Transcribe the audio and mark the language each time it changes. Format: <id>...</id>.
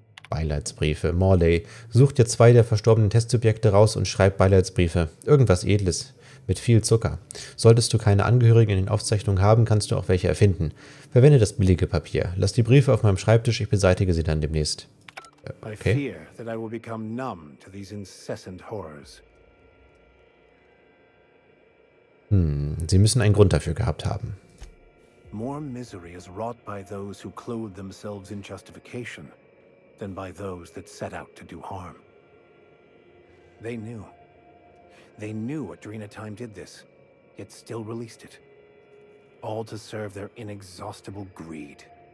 <de>Beileidsbriefe. Morley, such dir zwei der verstorbenen Testsubjekte raus und schreib Beileidsbriefe. Irgendwas Edles. Mit viel Zucker. Solltest du keine Angehörigen in den Aufzeichnungen haben, kannst du auch welche erfinden. Verwende das billige Papier. Lass die Briefe auf meinem Schreibtisch, ich beseitige sie dann demnächst. Okay.</de> <en>I fear that I will become numb to these incessant horrors.</en> <de>Sie müssen einen Grund dafür gehabt haben.</de> <en>More misery is wrought by those who clothe themselves in justification than by those that set out to do harm. They knew. They knew Adrenatime did this, yet still released it. All to serve their inexhaustible greed.</en>